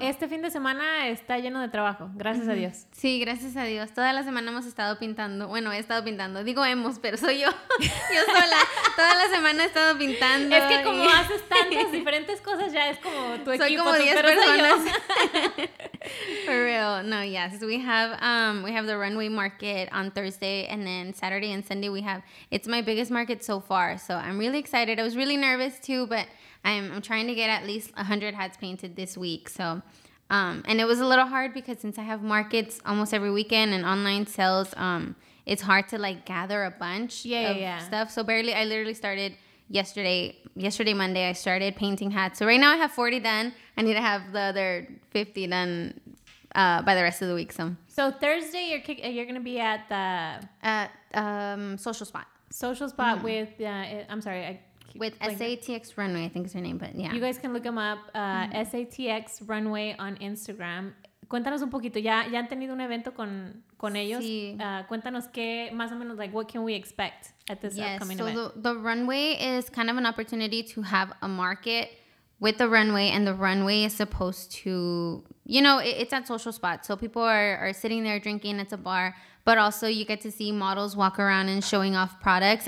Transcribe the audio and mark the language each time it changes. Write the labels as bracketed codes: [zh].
[es] Este fin de semana está lleno de trabajo. Gracias a Dios. Sí, gracias a Dios. Toda la semana hemos estado pintando. Bueno, he estado pintando. Digo hemos, pero soy yo. Yo sola. Toda la semana he estado pintando. Es que como haces tantas diferentes cosas, ya es como tu equipo. Soy como 10 personas. [en] For real. No, yes. We have the runway market on Thursday, and then Saturday and Sunday we have, it's my biggest market so far. So I'm really excited. I was really nervous too, but I'm trying to get at least 100 hats painted this week. So, and it was a little hard because since I have markets almost every weekend and online sales, it's hard to like gather a bunch stuff. So barely, I literally started yesterday, Monday, I started painting hats. So right now I have 40 done. I need to have the other 50 done by the rest of the week. So Thursday you're going to be at the Social Spot. Social Spot with, I'm sorry, With SATX Runway, I think is her name, but yeah. You guys can look him up, SATX Runway on Instagram. [es] Cuéntanos un poquito, ¿ya han tenido un evento con ellos? Sí. Cuéntanos qué, más o menos, [en] like, what can we expect at this upcoming event? Yes, so the runway is kind of an opportunity to have a market with the runway, and the runway is supposed to, you know, it's at Social Spot, so people are sitting there drinking, it's a bar. But also you get to see models walk around and showing off products.